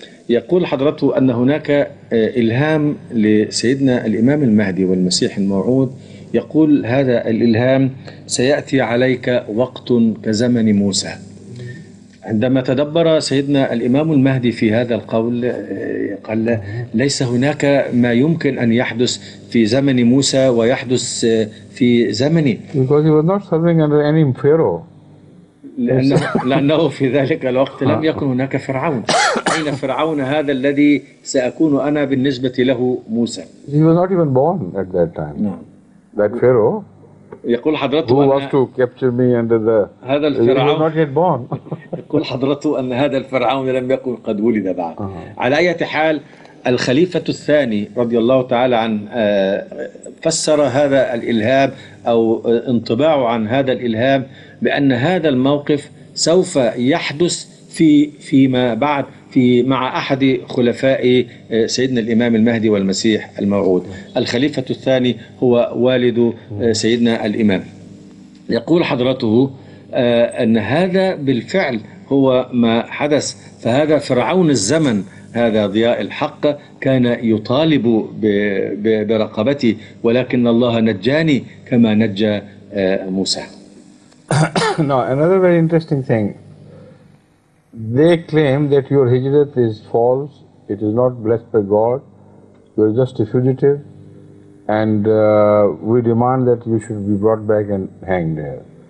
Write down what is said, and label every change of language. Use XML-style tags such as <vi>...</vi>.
<ar>يقول حضرته أن هناك إلهام لسيدنا الإمام المهدي والمسيح الموعود، يقول هذا الإلهام سيأتي عليك وقت كزمن موسى. عندما تدبر سيدنا الإمام المهدي في هذا القول قال ليس هناك ما يمكن أن يحدث في زمن موسى ويحدث في زمني.</ar> <en>Because he was not serving under any pharaoh.</en> <ar>لأنه في ذلك الوقت لم يكن هناك فرعون. أين فرعون هذا الذي سأكون أنا بالنسبة له موسى؟</ar> <en>He was not even born at that time. That pharaoh.</en> <ar>يقول حضرته</ar> <en>who was to capture me under the</en> <ar>هذا الفرعون</ar> <en>he was not yet born.</en> <ar>يقول حضرته أن هذا الفرعون لم يكن قد ولد بعد. على أي حال، الخليفة الثاني رضي الله تعالى عن فسر هذا الإلهام أو انطباعه عن هذا الإلهام بأن هذا الموقف سوف يحدث فيما بعد مع أحد خلفاء سيدنا الإمام المهدي والمسيح الموعود. الخليفة الثاني هو والد سيدنا الإمام. يقول حضرته أن هذا بالفعل هو ما حدث، فهذا فرعون الزمن هذا ضياء الحق كان يطالب برقبتي، ولكن الله نجاني كما نجى موسى.</ar> <en>Now another very interesting thing. They claim that your hijrat is false, it is not blessed by God, you are just a fugitive, and we demand that you should be brought back and hanged there.</en>